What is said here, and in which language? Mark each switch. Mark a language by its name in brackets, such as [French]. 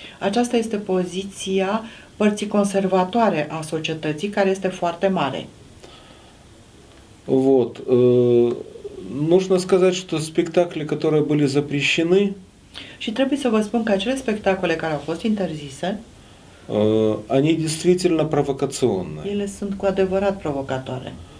[Romanian] Aceasta este poziția părții conservatoare a societății, care este foarte mare. [Russian] Вот. Нужно сказать, что спектакли, которые были запрещены, [Romanian] și trebuie să vă spun că acele spectacole care au fost interzise, [Russian] они действительно провокационные. [Romanian] Ele sunt cu adevărat provocatoare.